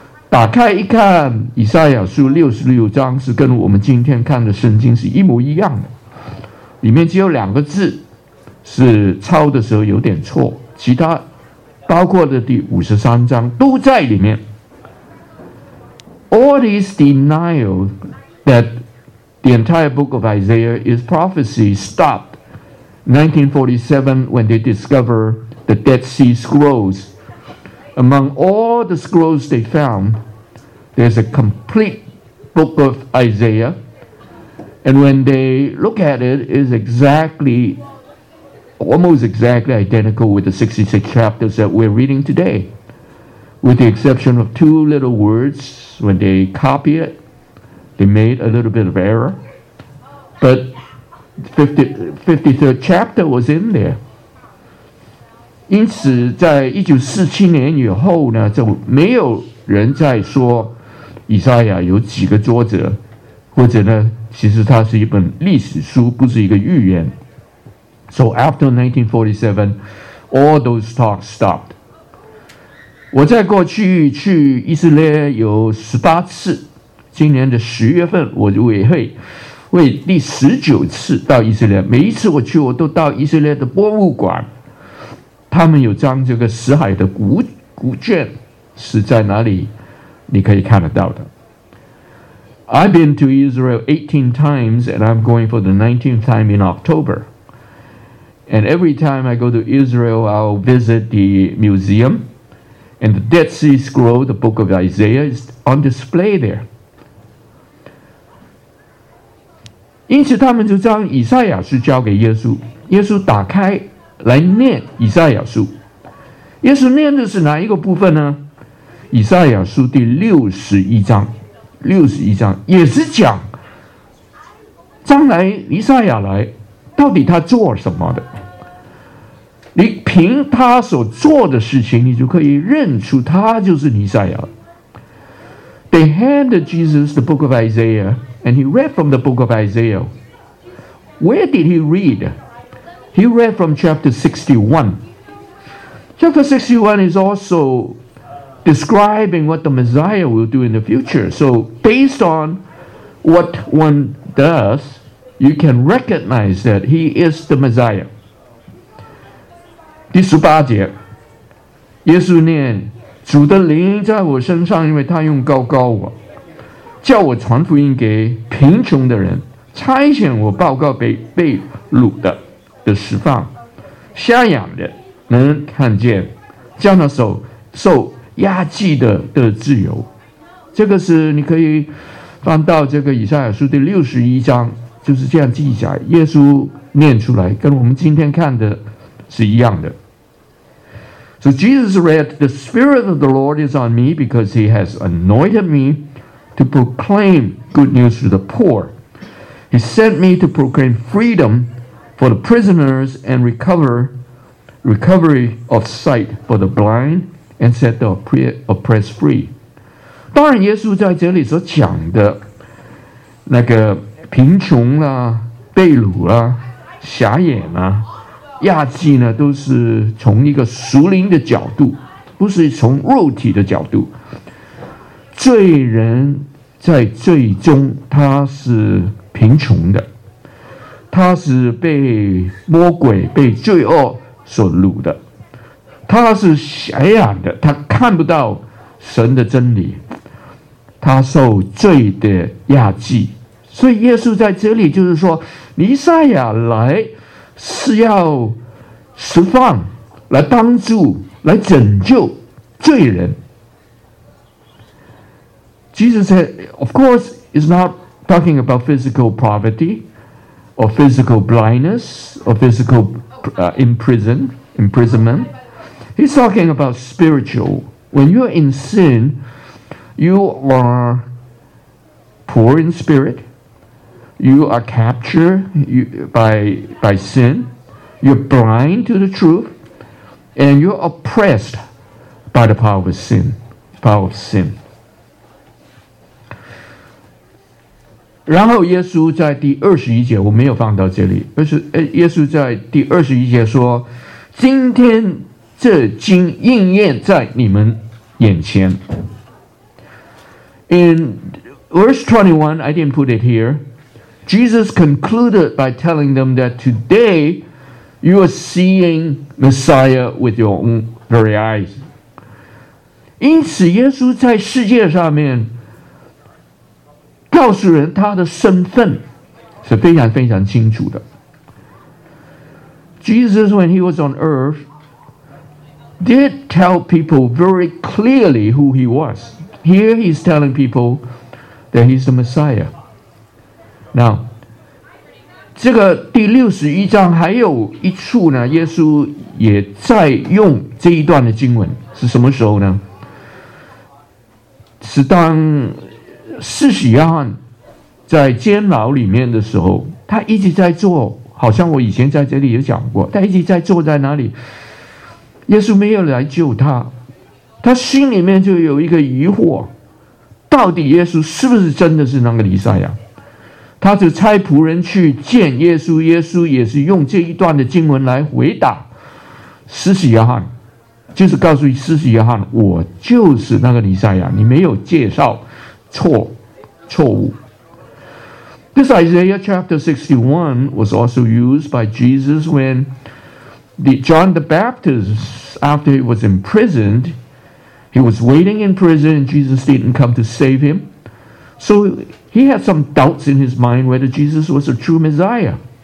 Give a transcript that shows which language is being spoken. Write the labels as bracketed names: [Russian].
[Chinese] 打开一看，以赛亚书66章是跟我们今天看的圣经是一模一样的，里面只有两个字是抄的时候有点错，其他包括的第53章都在里面。 [English] All these denial that the entire book of Isaiah is prophecy stopped 1947 when they discover the Dead Sea Scrolls. Among all the scrolls they found, there's a complete book of Isaiah. And when they look at it, it's exactly. Almost exactly identical with the 66 chapters that we're reading today, with the exception of 2 little words. When they copy it, they made a little bit of error, but the 53rd chapter was in there. [Chinese] 因此在1947年以后呢，就没有人再说以赛亚有几个作者，或者呢，其实它是一本历史书，不是一个预言。 [English] So after 1947, all those talks stopped. [Chinese] 我在过去去以色列有18次，今年的10月份我也会第19次到以色列。每一次我去，我都到以色列的博物馆，他们有张这个死海的古卷是在哪里，你可以看得到的。 [English] I've been to Israel 18 times, and I'm going for the 19th time in October. And every time I go to Israel, I'll visit the museum. And the Dead Sea Scroll, the book of Isaiah, is on display there. [Chinese] 因此他们就将以赛亚书交给耶稣。耶稣打开来念以赛亚书。耶稣念的是哪一个部分呢？以赛亚书第61章。 61章也是讲将来以赛亚来到底他做什么的。你凭他所做的事情，你就可以认出他就是弥赛亚。 [English] They handed Jesus the book of Isaiah, and he read from the book of Isaiah. Where did he read? He read from chapter 61. Chapter 61 is also describing what the Messiah will do in the future. So based on what one does, you can recognize that he is the Messiah. [Chinese] 第十八节，耶稣念：“主的灵在我身上，因为他用膏膏我，叫我传福音给贫穷的人，差遣我报告被掳的释放，瞎眼的能看见，叫那受压制的自由。”这个是你可以翻到这个以赛亚书第61章，就是这样记载，耶稣念出来，跟我们今天看的是一样的。 [English] So Jesus read, "The Spirit of the Lord is on me because he has anointed me to proclaim good news to the poor. He sent me to proclaim freedom for the prisoners and recovery of sight for the blind and set the oppressed free." [Chinese] 当然耶稣在这里所讲的那个贫穷啊、被掳啊、瞎眼啊、亚季呢，都是从一个属灵的角度，不是从肉体的角度。罪人在最终他是贫穷的，他是被魔鬼、被罪恶所掳的，他是瞎眼的，他看不到神的真理，他受罪的压制。所以耶稣在这里就是说，弥赛亚来是要释放、来帮助、来拯救罪人。 [English] Jesus said, of course, is not talking about physical poverty or physical blindness or physical imprisonment. He's talking about spiritual. When you're in sin, you are poor in spirit. You are captured by sin. You're blind to the truth. And you're oppressed by the power of sin. Power of sin. [Chinese] 然后耶稣在第21节，我没有放到这里，耶稣在第21节说，今天这经应验在你们眼前。 [English] In verse 21, I didn't put it here, Jesus concluded by telling them that today you are seeing Messiah with your own very eyes. [Chinese] 因此耶稣在世界上面告诉人他的身份是非常非常清楚的。 [English] Jesus, when he was on earth, did tell people very clearly who he was. Here he's telling people that he's the Messiah. [Chinese] Now, 这个第61章还有一处呢，耶稣也在用这一段的经文，是什么时候呢？是当施洗约翰在监牢里面的时候，他一直在坐，好像我以前在这里有讲过，他一直在坐在那里，耶稣没有来救他，他心里面就有一个疑惑，到底耶稣是不是真的是那个弥赛亚？他就差仆人去见耶稣，耶稣也是用这一段的经文来回答施洗约翰，就是告诉施洗约翰，我就是那个弥赛亚，你没有介绍错误。 [English] This Isaiah chapter 61 was also used by Jesus when John the Baptist, after he was imprisoned, he was waiting in prison and Jesus didn't come to save him. So he had some doubts in his mind whether Jesus was a true Messiah.